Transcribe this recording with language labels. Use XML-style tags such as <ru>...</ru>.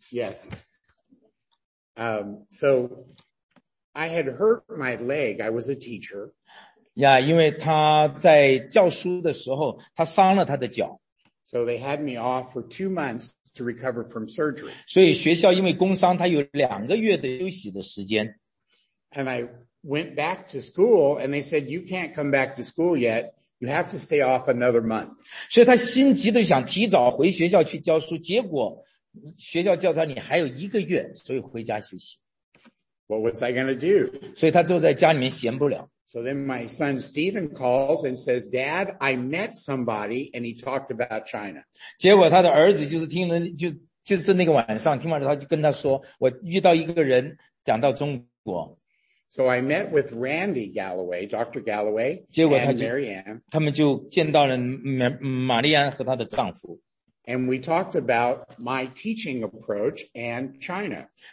<en>Yes. So I had hurt my leg. I was a teacher.</en> <zh>Yeah, 因为他在教书的时候, 他伤了他的脚。</zh> <en>So they had me off for 2 months. To recover from surgery.</en> <zh>所以学校因为工伤, 他有2个月的休息的时间。</zh> <en>And I went back to school and they said, you can't come back to school yet. You have to stay off another month.</en> <zh>所以他心急的想提早回学校去教书, 结果学校叫他, 你还有1个月, 所以回家休息。</zh> <en>What was I going to do?</en> <zh>所以他坐在家里面闲不了。</zh> <en>So then my son Stephen calls and says, Dad, I met somebody and he talked about China.</en> <zh>结果他的儿子就是听了，就是那个晚上，听完了他就跟他说，我遇到一个人讲到中国。</zh> <en>So I met with Randy Galloway, Dr. Galloway,</en> <zh>结果他就,</zh> <en>and Marianne.</en> <zh>他们就见到了玛丽安和他的丈夫。</zh> <en>And we talked about my teaching approach and China.</en>